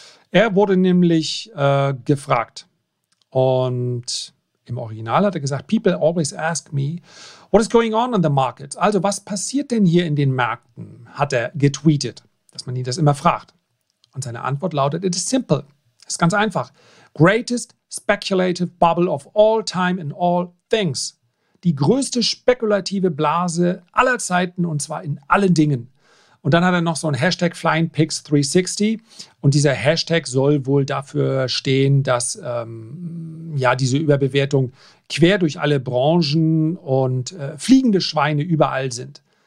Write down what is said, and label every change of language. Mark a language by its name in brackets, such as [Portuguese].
[German] Er wurde nämlich gefragt und im Original hat er gesagt, [English] "People always ask me, what is going on in the markets?" [German] Also, was passiert denn hier in den Märkten, hat er getweetet, dass man ihn das immer fragt. Und seine Antwort lautet, [English] it is simple. [German] Es ist ganz einfach. [English] Greatest speculative bubble of all time in all things. [German] Die größte spekulative Blase aller Zeiten und zwar in allen Dingen. Und dann hat er noch so ein Hashtag FlyingPigs360 und dieser Hashtag soll wohl dafür stehen, dass diese Überbewertung quer durch alle Branchen und fliegende Schweine überall sind.